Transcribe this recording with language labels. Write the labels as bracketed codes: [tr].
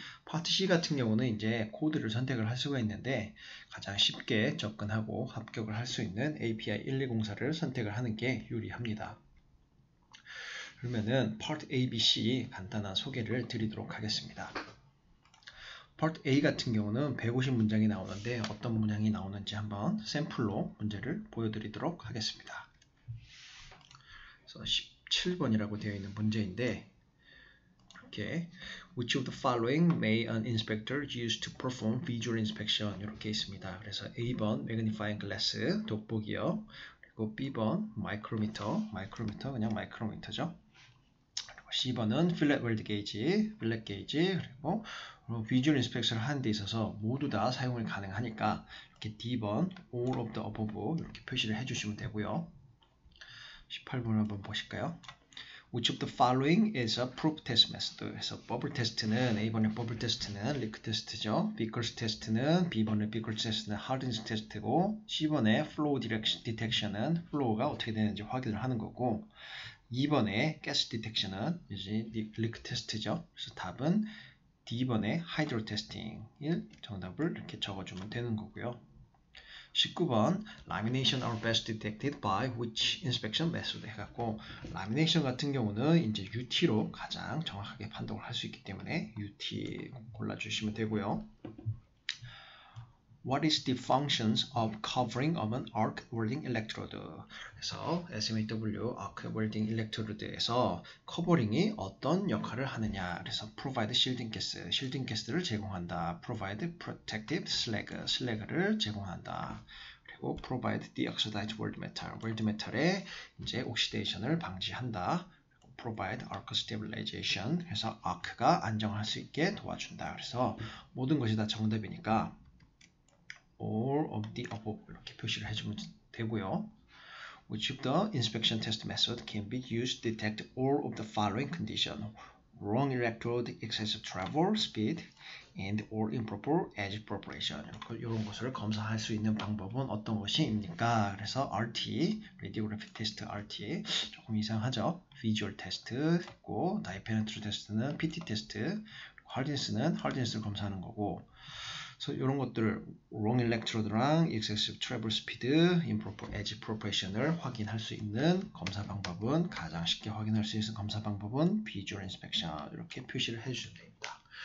[ko] 파트 C 같은 경우는 이제 코드를 선택을 할 수가 있는데 가장 쉽게 접근하고 합격을 할수 있는 API 1204를 선택을 하는 게 유리합니다. 그러면은 파트 A, B, C 간단한 소개를 드리도록 하겠습니다. 파트 A 같은 경우는 150 문장이 나오는데 어떤 문장이 나오는지 한번 샘플로 문제를 보여드리도록 하겠습니다. 17번이라고 되어 있는 문제인데, 이렇게 [en] Which of the following may an inspector use to perform visual inspection? [ko] 이렇게 있습니다. 그래서 A번 magnifying glass 돋보기요. 그리고 B번 micrometer, micrometer 그냥 micrometer죠. C번은 fillet weld gauge, fillet gauge, 그리고 visual inspection을 하는 데 있어서 모두 다 사용을 가능하니까 이렇게 D번 [en] all of the above [ko] 이렇게 표시를 해주시면 되고요. 18번을 한번 보실까요? [en] Which of the following is a proof test method? [ko] 그래서 버블 테스트는 A번의 버블 테스트는 리크 테스트죠. Vickers 테스트는 B번의 Vickers 테스트는 Hardness 테스트고 C번의 Flow Detection은 Flow가 어떻게 되는지 확인을 하는 거고 2번의 Gas Detection은 이제 리크 테스트죠. 그래서 답은 D번의 Hydro Testing일 정답을 이렇게 적어주면 되는 거고요. [en] 19번, Lamination are best detected by which inspection method? [ko] 해갖고, Lamination 같은 경우는 이제 UT로 가장 정확하게 판독을 할수 있기 때문에 UT 골라주시면 되고요. [en] What is the functions of covering of an arc welding electrode? [ko] 그래서 SMAW arc welding electrode에서 커버링이 어떤 역할을 하느냐? 그래서 [en] provide shielding gas, [ko] shielding gas를 제공한다. [en] provide protective slag [ko] 를 제공한다. 그리고 [en] provide deoxidized weld metal, [ko] weld metal의 이제 옥시데이션을 방지한다. [en] provide arc stabilization [ko] 해서 아크가 안정할 수 있게 도와준다. 그래서 모든 것이 다 정답이니까 [en] All of the above [ko] 이렇게 표시를 해주면 되고요. [en] Which of the inspection test method can be used to detect all of the following condition? Wrong electrode, excessive travel speed, and or improper edge preparation. [ko] 이런 것을 검사할 수 있는 방법은 어떤 것입니까? 그래서 RT, radiography test, RT 조금 이상하죠? visual 테스트 있고, dielectric 테스트는 PT 테스트, hardness는 hardness를 검사하는 거고. 그래서 이런 것들을 wrong electrode랑 excessive travel speed, [en] improper edge preparation [ko] 을 확인할 수 있는 검사 방법은 가장 쉽게 확인할 수 있는 검사 방법은 visual inspection 이렇게 표시를 해주시면 됩니다.